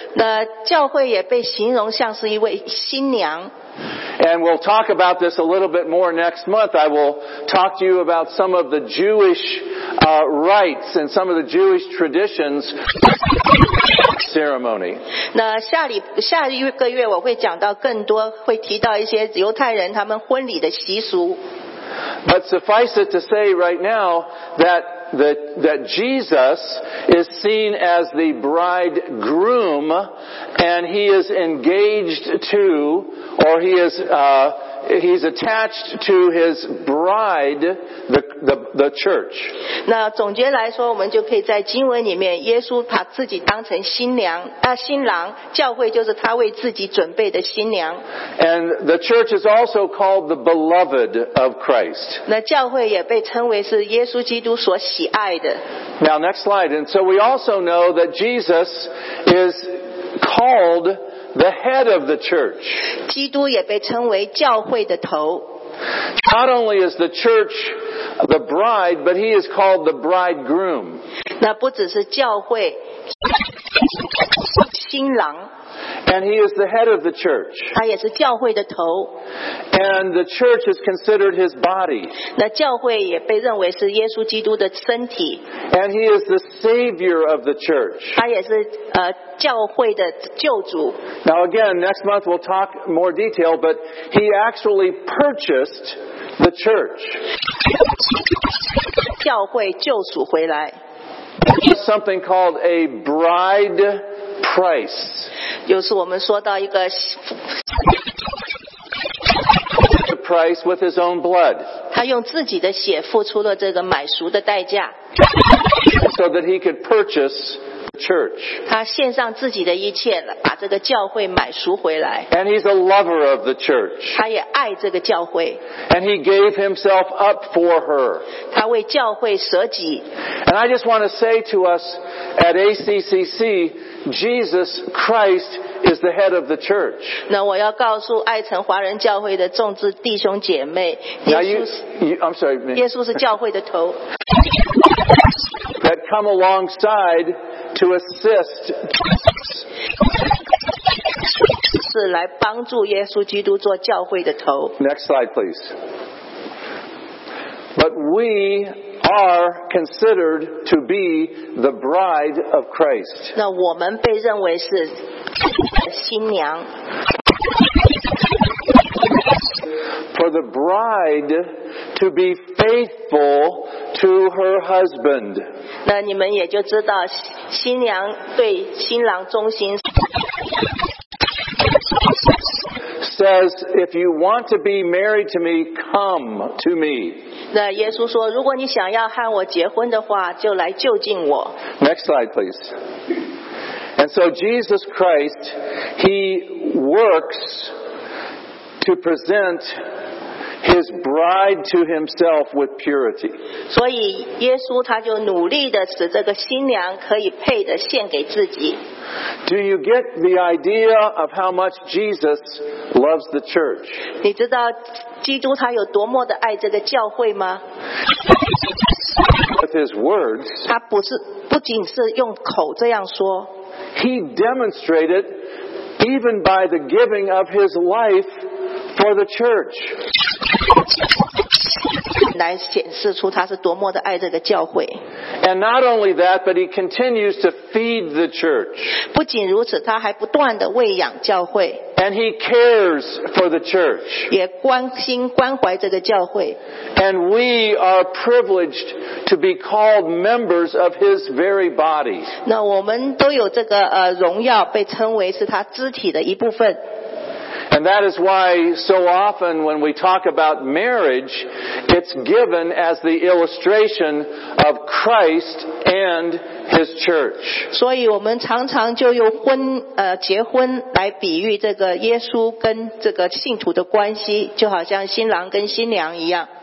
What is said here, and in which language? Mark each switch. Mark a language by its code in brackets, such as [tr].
[zh] 那教会也被形容像是一位新娘。 [en] And we'll talk about this a little bit more next month. I will talk to you about some of the Jewish rites and some of the Jewish traditions ceremony. [zh] 那下一个月我会讲到更多，会提到一些犹太人他们婚礼的习俗。 [en] But suffice it to say right now that Jesus is seen as the bridegroom, and he is engaged to, or he's attached to his bride, the church. [zh] 那总结来说，我们就可以在经文里面，耶稣把自己当成新郎，教会就是他为自己准备的新娘。 [en] And the church is also called the beloved of Christ. [zh] 那教会也被称为是耶稣基督所喜爱的。 [en] Now next slide. And so we also know that Jesus is called the head of the church. [zh] 基督也被称为教会的头。 [en] Not only is the church the bride, but he is called the bridegroom. [zh] 那不只是教会，新郎。 [en] And he is the head of the church. [zh] 他也是教会的头。 [en] And the church is considered his body. [zh] 那教会也被认为是耶稣基督的身体。 [en] And he is the savior of the church. [zh] 他也是教会的救主。 [en] Now again, next month we'll talk more detail, but he actually purchased the church. [zh] 教会救赎回来。 [en] Something called a bride price. [zh] 就是我们说到一个 [en] the price with his own blood. [zh] 他用自己的血付出了这个买赎的代价。 [en] So that he could purchase the church. [zh] 他献上自己的一切，把这个教会买赎回来。 [en] And he's a lover of the church. [zh] 他也爱这个教会。 [en] And he gave himself up for her. [zh] 他为教会舍己。 [en] And I just want to say to us at ACCC, Jesus Christ is the head of the church. [zh] 那我要告诉爱城华人教会的众子弟兄姐妹，耶稣是教会的头。 [en] That come alongside to assist. [zh] 是来帮助耶稣基督做教会的头。 [en] Next slide, please. But we. Are considered to be the bride of Christ. [zh] 那我们被认为是新娘。 [en] For the bride to be faithful to her husband. [zh] 那你们也就知道新娘对新郎忠心。 [en] Says, if you want to be married to me, come to me. [zh] 那耶稣说，如果你想要和我结婚的话，就来就近我。 [en] Next slide, please. And so Jesus Christ, he works to present his bride to himself with purity. [zh] 所以耶稣他就努力的使这个新娘可以配的献给自己。 [en] Do you get the idea of how much Jesus loves the church? [zh] 你知道基督他有多么的爱这个教会吗？ [en] With his words, [zh] 他不仅是用口这样说。 [en] He demonstrated even by the giving of his life for the church. [zh] 来显示出他是多么的爱这个教会。 [en] And not only that, but he continues to feed the church. [zh] 不仅如此，他还不断地喂养教会。 [en] And he cares for the church. [zh] 也关心关怀这个教会。 [en] And we are privileged to be called members of his very body. [zh] 那我们都有这个荣耀，被称为是他肢体的一部分。 [en] And that is why so often when we talk about marriage, it's given as the illustration of Christ and His church. [zh] 所以我们常常就用结婚来比喻这个耶稣跟这个信徒的关系，就好像新郎跟新娘一样。